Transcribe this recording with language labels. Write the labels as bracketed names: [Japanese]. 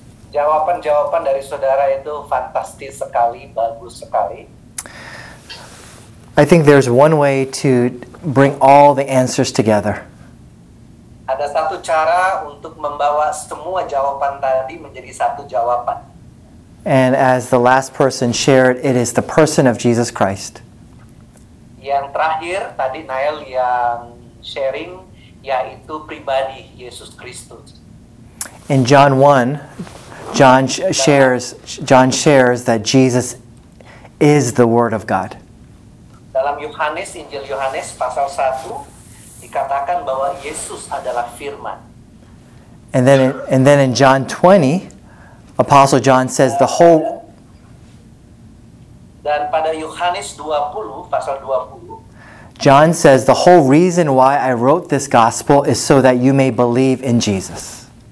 [Indonesian] Jawaban-jawaban dari saudara itu fantastis sekali, bagus sekali. [English] I think there's one way to bring all the answers together. [Indonesian] Ada satu cara untuk membawa semua jawaban tadi menjadi satu jawaban. [English] And as the last person shared, it is the person of Jesus Christ. [Indonesian] Yang terakhir tadi Nael yang sharing yaitu pribadi Yesus Kristus. [English] In John 1, John shares that Jesus is the Word of God. [Indonesian] Dalam Yohanes, Injil Yohanes pasal 1 dikatakan bahwa Yesus adalah firman. [English] And then in John 20, Apostle John says the whole. [Indonesian] Dan pada Yohanes 20 pasal 20, [English] John says the whole reason why I wrote this gospel is so that you may believe in Jesus.